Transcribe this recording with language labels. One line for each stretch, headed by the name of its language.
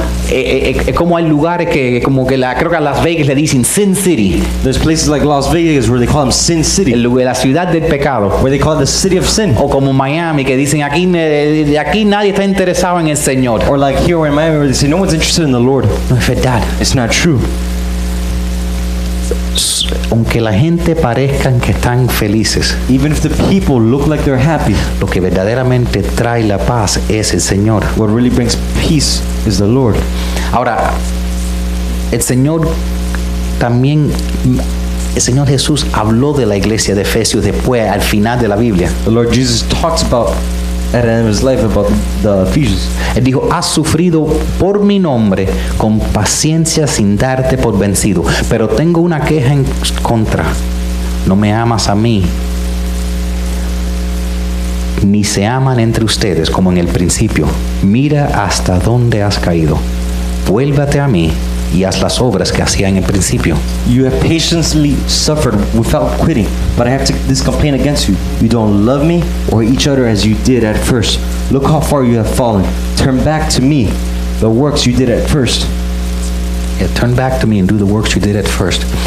Spanish: Es como hay lugares que como que la creo que a Las Vegas le dicen Sin City.
English: There's places like Las Vegas where they call them Sin City.
Spanish: El lugar, la ciudad del pecado.
English: Where they call it the city of sin.
Spanish: O como Miami que dicen aquí nadie está interesado en el Señor.
English: Or like here in Miami where they say no one's interested in the Lord.
Spanish: No es verdad.
English: It's not true.
Spanish: Aunque la gente parezcan que están felices,
English: even if the people look like they're happy,
Spanish: lo que verdaderamente trae la paz es el Señor.
English: What really brings peace is the Lord.
Spanish: Ahora, el Señor también, el Señor Jesús habló de la iglesia de Efesios después, al final de la Biblia.
English: The Lord Jesus talks about at the end of his life about the Ephesians.
Spanish: Él dijo, has sufrido por mi nombre con paciencia sin darte por vencido. Pero tengo una queja en contra. No me amas a mí. Ni se aman entre ustedes como en el principio. Mira hasta dónde has caído. Vuélvate a mí y haz las obras que hacía en el principio.
English: You have patiently suffered without quitting, but I have this complaint against you. You don't love me or each other as you did at first. Look how far you have fallen. Turn back to me, the works you did at first. Yeah, turn back to me and do the works you did at first.